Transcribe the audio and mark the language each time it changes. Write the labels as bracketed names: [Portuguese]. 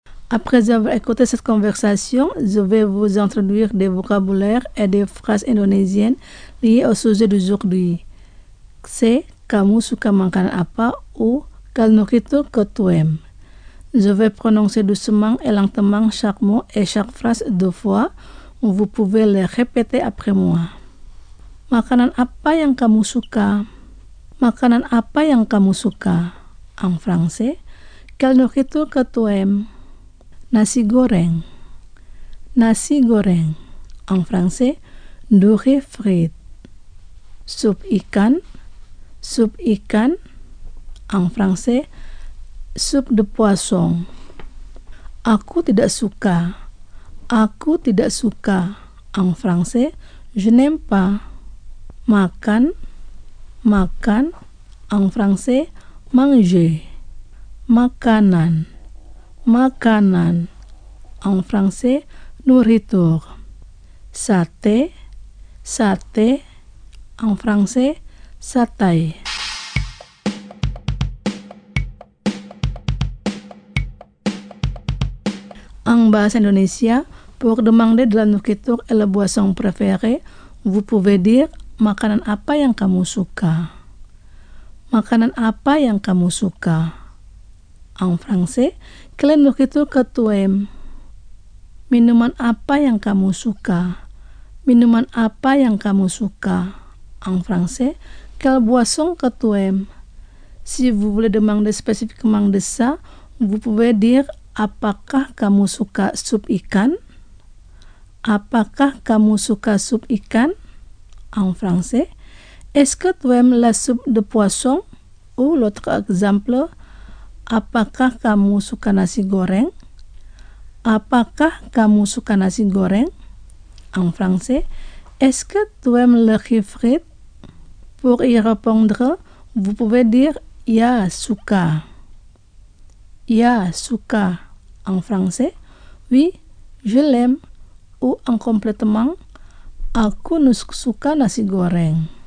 [French] Après avoir écouté cette conversation, je vais vous introduire des vocabulaires et des phrases indonésiennes liées au sujet d'aujourd'hui. C'est « [Indonesian] Kamu suka makan apa ?» [French] ou « Quel nourriture que tu aimes ?» Je vais prononcer doucement et lentement chaque mot et chaque phrase deux fois. Vous pouvez les répéter après moi. [Indonesian] Makanan apa yang kamu suka ? Makanan apa yang kamu suka ? [French] En français, « Quel nourriture que tu aimes ?» [Indonesian] Nasi goreng. Nasi goreng. [French] En français, nourri frit. [Indonesian] Soup ikan. Soup ikan. [French] En français, soup de poisson. [Indonesian] Aku tidak suka. Aku tidak suka. [French] En français, je n'aime pas. [Indonesian] Makan. Makan. [French] En français, manger. [Indonesian] Makanan. Makanan. [French] En français, nourriture. [Indonesian] Sate, sate. [French] En français, satay. En bahasa Indonesia, pour demander de la nourriture et la boisson préférée, vous pouvez dire [Indonesian] makanan apa yang kamu suka. Makanan apa yang kamu suka. [French] En français, quelle nourriture que tu aimes? [Indonesian] Minuman apa yang kamu suka? Minuman apa yang kamu suka? [French] En français, quelle boisson que tu aimes? Si vous voulez demander spécifiquement de ça, vous pouvez dire [Indonesian] apakah kamu suka sup ikan? Apakah kamu suka sup ikan? [French] En français, est-ce que tu aimes la soupe de poisson? Ou l'autre exemple, [Indonesian] apakah kamu suka nasi goreng? Apakah kamu suka nasi goreng? [French] En français, est-ce que tu aimes le riz frit? Pour y répondre, vous pouvez dire [Indonesian] ya suka. Ya suka. [French] En français, oui, je l'aime. Ou en complètement, [Indonesian] aku suka nasi goreng.